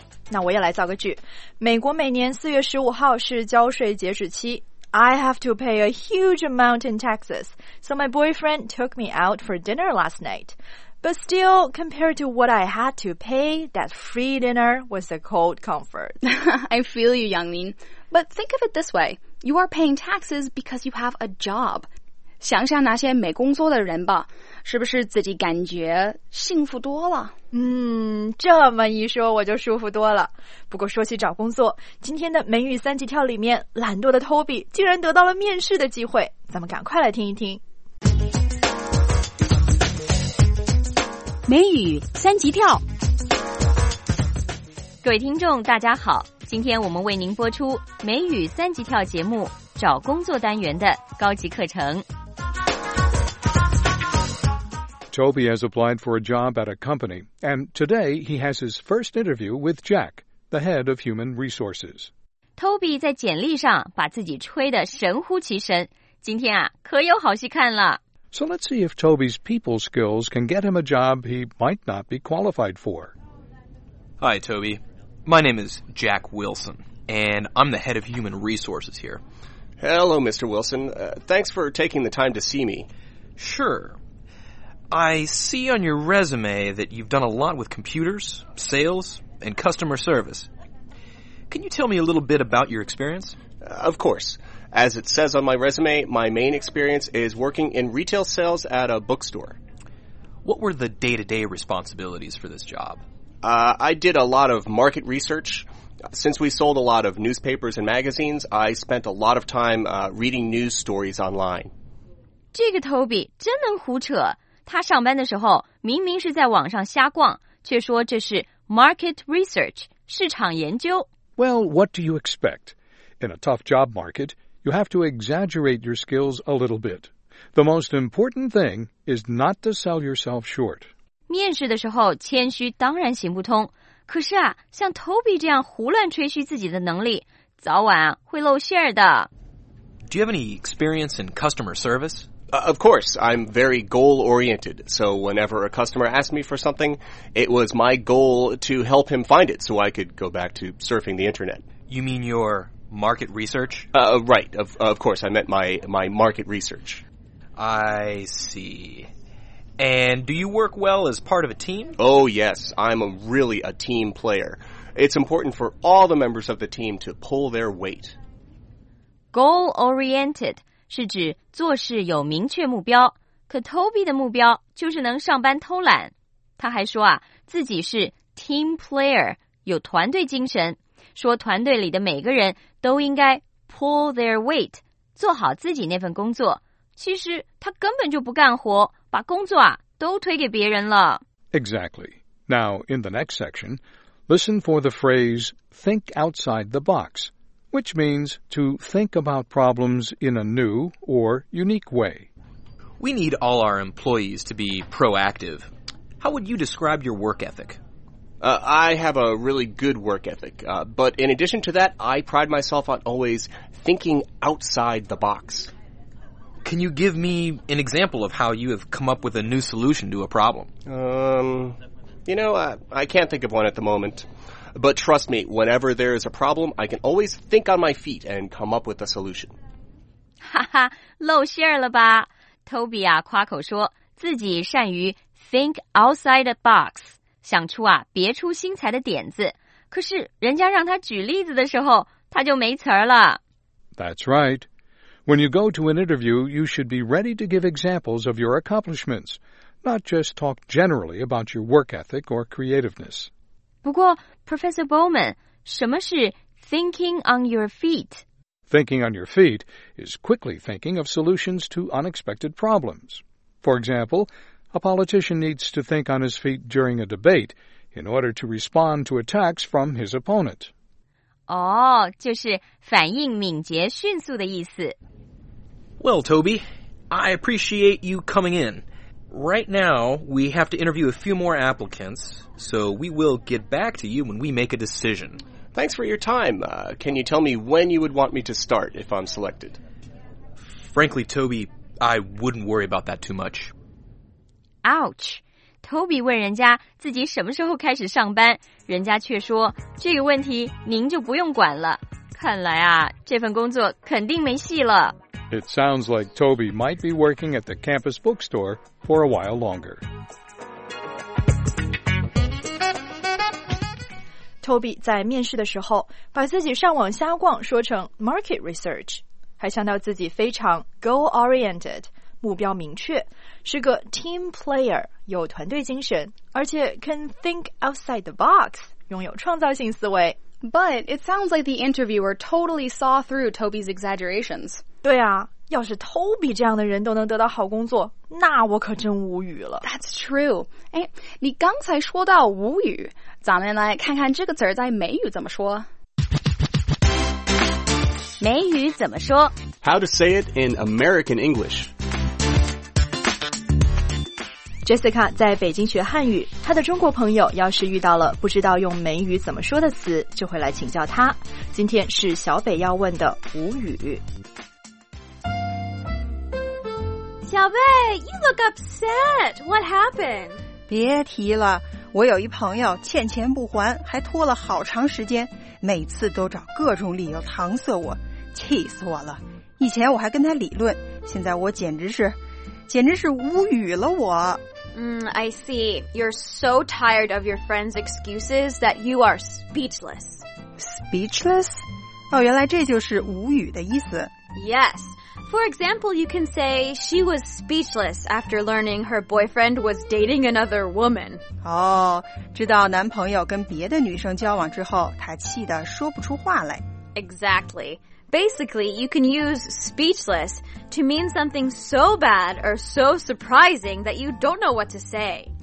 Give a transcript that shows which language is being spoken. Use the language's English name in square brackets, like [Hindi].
[Chinese] 那我也来造个句：美国每年4月15号是交税截止期。 [English] I have to pay a huge amount in taxes, so my boyfriend took me out for dinner last night. But still, compared to what I had to pay, that free dinner was a cold comfort. I feel you, Yangmin. But think of it this way. You are paying taxes because you have a job. [Chinese] 想想那些没工作的人吧，是不是自己感觉幸福多了？这么一说我就舒服多了。不过说起找工作，今天的美语三级跳里面，懒惰的 Toby 竟然得到了面试的机会。咱们赶快来听一听。美语三级跳，各位听众大家好，今天我们为您播出美语三级跳节目找工作单元的高级课程。 [English] Toby has applied for a job at a company, and today he has his first interview with Jack, the head of human resources. [Chinese] Toby 在简历上把自己吹得神乎其神，今天啊可有好戏看了。 [English] So let's see if Toby's people skills can get him a job he might not be qualified for. Hi, Toby. My name is Jack Wilson, and I'm the head of human resources here. Hello, Mr. Wilson. Thanks for taking the time to see me. Sure. I see on your resume that you've done a lot with computers, sales, and customer service. Can you tell me a little bit about your experience? Of course. As it says on my resume, my main experience is working in retail sales at a bookstore. What were the day-to-day responsibilities for this job? I did a lot of market research. Since we sold a lot of newspapers and magazines, I spent a lot of time reading news stories online. [Chinese] 这个 Toby 真能胡扯。他上班的时候明明是在网上瞎逛，却说这是 [English] market research, [Chinese] 市场研究。 [English] Well, what do you expect? In a tough job market... You have to exaggerate your skills a little bit. The most important thing is not to sell yourself short. [Chinese] 面试的时候谦虚当然行不通，可是啊，像 Toby 这样胡乱吹嘘自己的能力，早晚会露馅儿的。 [English] Do you have any experience in customer service? Of course, I'm very goal-oriented. So whenever a customer asked me for something, it was my goal to help him find it so I could go back to surfing the internet. You mean your... Market research? Right. Of course, I meant my market research. I see. And do you work well as part of a team? Oh, yes. I'm really a team player. It's important for all the members of the team to pull their weight. Goal-oriented [Chinese] 是指做事有明确目标。可 Toby 的目标就是能上班偷懒。他还说啊，自己是 [English] team player, [Chinese] 有团队精神。说团队里的每个人都应该 [English] pull their weight, [Chinese] 做好自己那份工作。其实他根本就不干活，把工作啊都推给别人了。 [English] Exactly. Now, in the next section, listen for the phrase think outside the box, which means to think about problems in a new or unique way. We need all our employees to be proactive. How would you describe your work ethic? I have a really good work ethic, but in addition to that, I pride myself on always thinking outside the box. Can you give me an example of how you have come up with a new solution to a problem? I can't think of one at the moment. But trust me, whenever there is a problem, I can always think on my feet and come up with a solution. [Chinese] 哈哈，露馅了吧。 Toby 啊，夸口说自己善于 [English] think outside the box. [Chinese] 想出啊别出心裁的点子，可是人家让他举例子的时候他就没词儿了。 [English] That's right. When you go to an interview, you should be ready to give examples of your accomplishments, not just talk generally about your work ethic or creativeness. [Chinese] 不过 Professor Bowman, 什么是 [English] thinking on your feet? Thinking on your feet is quickly thinking of solutions to unexpected problems. For example, a politician needs to think on his feet during a debate in order to respond to attacks from his opponent. [Chinese] 哦，就是反应敏捷迅速的意思。 [English] Well, Toby, I appreciate you coming in. Right now, we have to interview a few more applicants, so we will get back to you when we make a decision. Thanks for your time. Can you tell me when you would want me to start if I'm selected? Frankly, Toby, I wouldn't worry about that too much. Ouch! [Chinese] Toby 问人家自己什么时候开始上班，人家却说，这个问题您就不用管了。看来啊，这份工作肯定没戏了。 [English] It sounds like Toby might be working at the campus bookstore for a while longer. [Chinese] Toby 在面试的时候把自己上网瞎逛说成 [English] market research, [Chinese] 还强调自己非常 [English] goal-oriented, [Chinese] 目标明确，是个 [English] team player, [Chinese] 有团队精神，而且 [English] can think outside the box, [Chinese] 拥有创造性思维。 [English] But it sounds like the interviewer totally saw through Toby's exaggerations. [Chinese] 对啊，要是 Toby 这样的人都能得到好工作，那我可真无语了。 [English] That's true. [Chinese] 哎，你刚才说到无语，咱们来看看这个词儿在美语怎么说。美语怎么说 [English] ？How to say it in American English? [Chinese] Jessica 在北京学汉语，她的中国朋友要是遇到了不知道用美语怎么说的词，就会来请教她。今天是小北要问的无语。 [English] 小贝 you look upset. What happened? [Chinese] 别提了，我有一朋友欠钱不还，还拖了好长时间，每次都找各种理由搪塞我，气死我了。以前我还跟他理论，现在我简直是无语了我。 [English] I see. You're so tired of your friend's excuses that you are speechless. Speechless? [Chinese] 哦，原来这就是无语的意思。 [English] Yes. For example, you can say she was speechless after learning her boyfriend was dating another woman. [Chinese] 哦，知道男朋友跟别的女生交往之后，她气得说不出话来。 [English] Exactly. Basically, you can use speechless to mean something so bad or so surprising that you don't know what to say.